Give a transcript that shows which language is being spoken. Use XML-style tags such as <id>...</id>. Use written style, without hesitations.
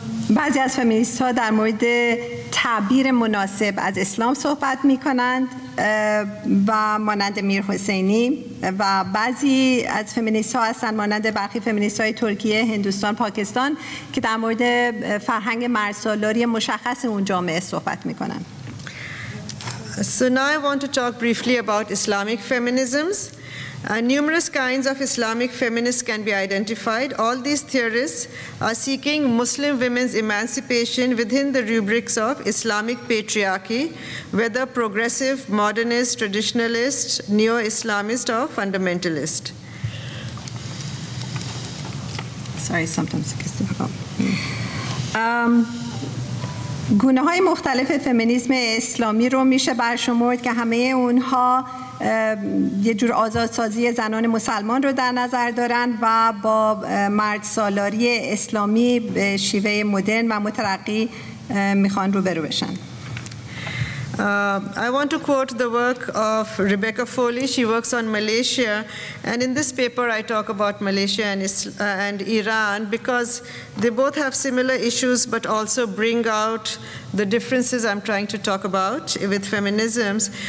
<fa>بعضی از فمینیست ها در مورد تعبیر مناسب از اسلام صحبت می کنند و مانند میر حسینی، و بعضی از فمینیست ها هستند مانند برخی فمینیست های ترکیه، هندوستان، پاکستان که در مورد فرهنگ مردسالاری مشخص اون جامعه صحبت می کنند.</fa> <en>So now I want to talk briefly about Islamic feminisms. Numerous kinds of Islamic feminists can be identified. All these theorists are seeking Muslim women's emancipation within the rubrics of Islamic patriarchy, whether progressive, modernist, traditionalist, neo-Islamist, or fundamentalist. Sorry, sometimes it gets difficult.</en> <fa>گونه‌های مختلف فمینیسم اسلامی رو میشه برشمرد که همه اونها یه جور آزادسازی زنان مسلمان رو در نظر دارن و با مردسالاری اسلامی به شیوه مدرن و مترقی میخوان روبرو بشن.</fa> <en>I want to quote the work of Rebecca Foley. She works on Malaysia. And in this paper, I talk about Malaysia and Iran because they both have similar issues but also bring out the differences I'm trying to talk about with feminisms.</en>